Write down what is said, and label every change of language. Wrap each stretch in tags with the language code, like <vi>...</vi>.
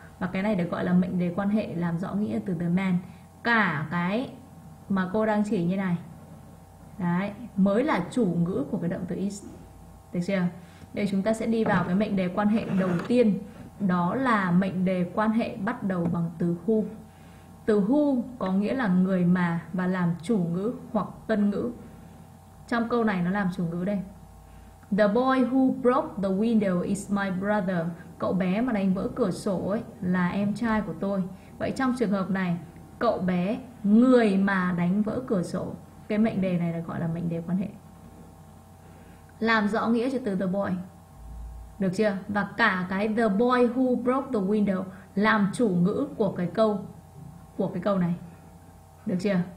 <vi>Và cái này được gọi là mệnh đề quan hệ làm rõ nghĩa từ the man. Cả cái mà cô đang chỉ như này đấy mới là chủ ngữ của cái động từ is, được chưa? Đây chúng ta sẽ đi vào cái mệnh đề quan hệ đầu tiên, đó là mệnh đề quan hệ bắt đầu bằng từ who. Từ who có nghĩa là người mà và làm chủ ngữ hoặc tân ngữ. Trong câu này nó làm chủ ngữ đây.</vi> <en>The boy who broke the window is my brother.</en> <vi>Cậu bé mà đánh vỡ cửa sổ ấy là em trai của tôi. Vậy trong trường hợp này, cậu bé, người mà đánh vỡ cửa sổ, cái mệnh đề này là gọi là mệnh đề quan hệ. Làm rõ nghĩa cho từ the boy. Được chưa? Và cả cái</vi> <en>the boy who broke the window</en> <vi>làm chủ ngữ của cái câu này. Được chưa?</vi>